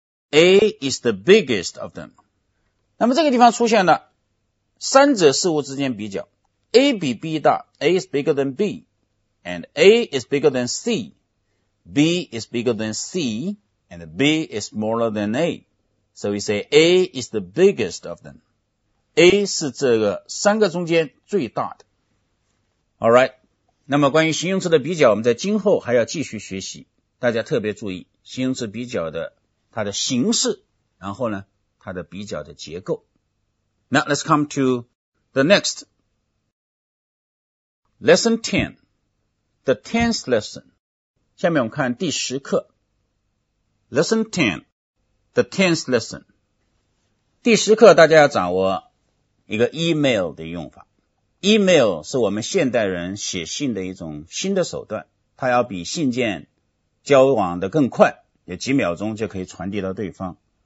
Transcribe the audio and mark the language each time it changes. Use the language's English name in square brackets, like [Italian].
[English] A is the biggest of them. [Chinese] 那么这个地方出现了三者事物之间比较， A 比 B 大， [English] A is bigger than B, and A is bigger than C, B is bigger than C, and B is smaller than A. So we say A is the biggest of them. [Chinese] A 是这个三个中间最大的。All right, 那么关于形容词的比较我们在今后还要继续学习，大家特别注意形容词比较的它的形式，然后呢它的比较的结构。 [English] Now let's come to the next Lesson 10, The 10th lesson. [Chinese] 下面我们看第十课 [English] Lesson 10, The 10th lesson. [Chinese] 第十课大家要掌握一个 email 的用法。 Email 是我们现代人写信的一种新的手段，它要比信件交往的更快，也几秒钟就可以传递到对方。